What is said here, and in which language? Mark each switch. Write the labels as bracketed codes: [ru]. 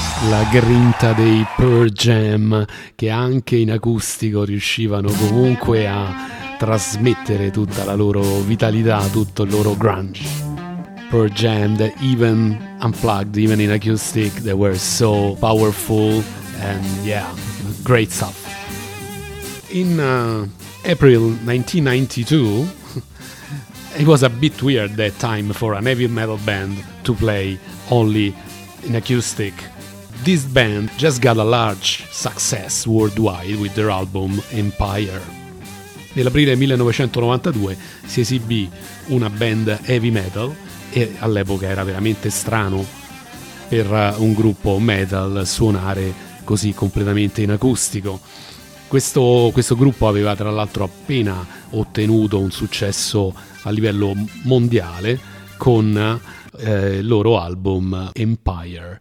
[it] la grinta dei Pearl Jam, che anche in acustico riuscivano comunque a trasmettere tutta la loro vitalità, tutto il loro grunge. [en] Pearl Jam, even unplugged, even in acoustic, they were so powerful and yeah, great stuff. In April 1992, it was a bit weird that time for a heavy metal band to play only in acoustic. This band just got a large success worldwide with their album Empire. [it] Nell'aprile 1992 si esibì una band heavy metal, e all'epoca era veramente strano per un gruppo metal suonare così completamente in acustico. Questo gruppo aveva tra l'altro appena ottenuto un successo a livello mondiale con il loro album Empire.